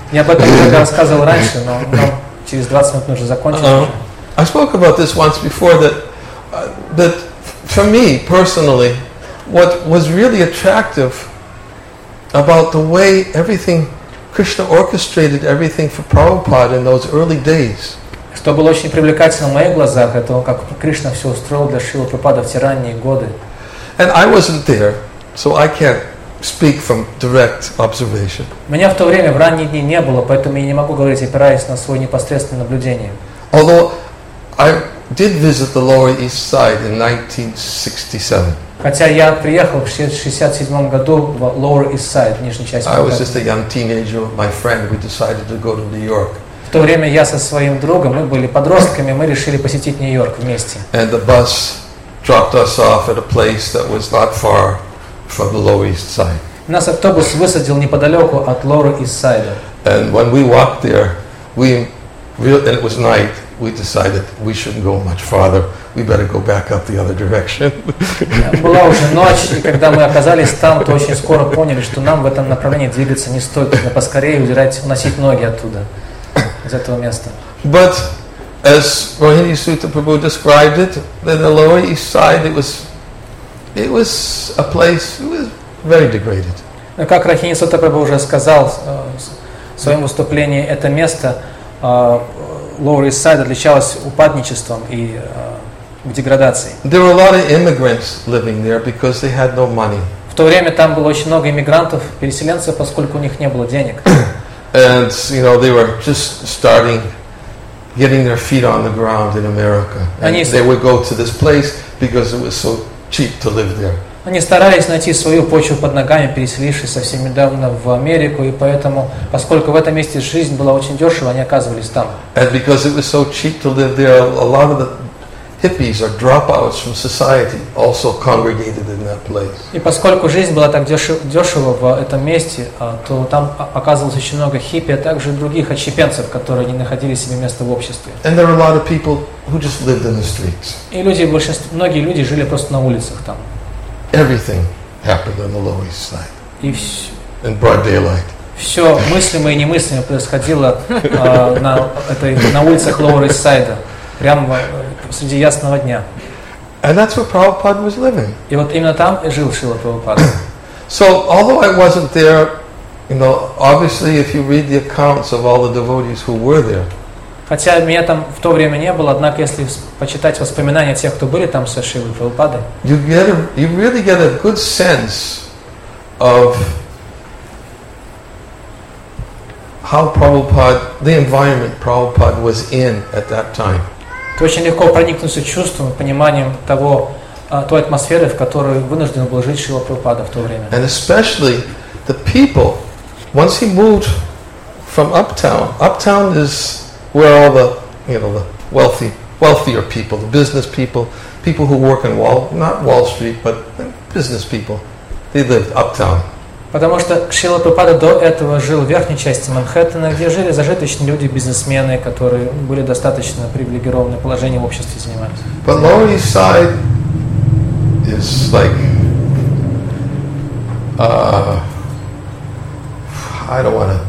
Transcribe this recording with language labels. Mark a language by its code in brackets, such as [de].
[ru] Я об этом когда рассказывал раньше, но через 20 минут нужно закончить. [en] I spoke about this once before that for me personally, what was really attractive about the way everything Krishna orchestrated everything for Prabhupada in those early days. [ru] Что было очень привлекательно в моих глазах, это как Кришна все устроил для Шрилы Прабхупады в те ранние годы. [en] And I wasn't there, so I can't speak from direct observation. [ru] Меня в то время в ранние дни не было, поэтому я не могу говорить, опираясь на свое непосредственное наблюдение. [en] Although I did visit the Lower East Side in 1967. [ru] Хотя я приехал в 67 году в Lower East Side, нижней части. [en] I was just a young teenager, my friend, we decided to go to New York. [ru] В то время я со своим другом, мы были подростками, мы решили посетить Нью-Йорк вместе. [en] And the bus dropped us off at a place that was not far from the Lower East Side. [ru] Нас автобус высадил неподалеку от Lower East Side. [en] And when we walked there, and it was night. We decided we shouldn't go much farther. We better go back up the other direction. [ru] Была уже ночь, и когда мы оказались там, то очень скоро поняли, что нам в этом направлении двигаться не стоит, нужно поскорее удирать, уносить ноги оттуда, из этого места. [en] But as Rohini Sutta Prabhu described it, then the Lower East Side it was a place, it was very degraded. [ru] Как Рохини Сутта Прабху уже сказал в своем выступлении, это место Lower East Side отличалась упадничеством и деградацией. [en] There were a lot of immigrants living there because they had no money. [ru] В то время там было очень много иммигрантов, переселенцев, поскольку у них не было денег. [en] And you know, they were just starting getting their feet on the ground in America. And they would go to this place because it was so cheap to live there. [ru] Они старались найти свою почву под ногами, переселившись совсем недавно в Америку, и поэтому, поскольку в этом месте жизнь была очень дешево, они оказывались там. [en] And because it was so cheap to live there, a lot of the hippies or dropouts from society also congregated in that place. [ru] И поскольку жизнь была так дешево в этом месте, то там оказывалось очень много хиппи, а также других отщепенцев, которые не находили себе места в обществе. [en] And there were a lot of people who just lived in the streets. [ru] И люди, большинство, многие люди жили просто на улицах там. [en] Everything happened on the Lower East Side. In broad daylight. [ru] Все мыслимое и немыслимое происходило на улицах Lower East Side, прямо среди ясного дня. [en] And that's where Prabhupada was living. [ru] И вот именно там и жил Шрила Прабхупада. [en] So, although I wasn't there, you know, obviously, if you read the accounts of all the devotees who were there. [ru] Хотя меня там в то время не было, однако если почитать воспоминания тех, кто были там со Шрилой Прабхупадой, [en] you really get a good sense of how Prabhupada, the environment Prabhupada was in at that time. [ru] Ты очень легко проникнуться чувством, пониманием той атмосферы, в которой вынужден был жить Шрила Прабхупада в то время. [en] And especially the people, once he moved from uptown. Uptown is where all the, you know, the wealthier people, the business people who work in not Wall Street, but business people, they lived uptown. [ru] Потому что Шрила Прабхупада до этого жил в верхней части Манхэттена, где жили зажиточные люди, бизнесмены, которые были достаточно привилегированы, положение в обществе занимались. [en] But Lower East Side is like, I don't want to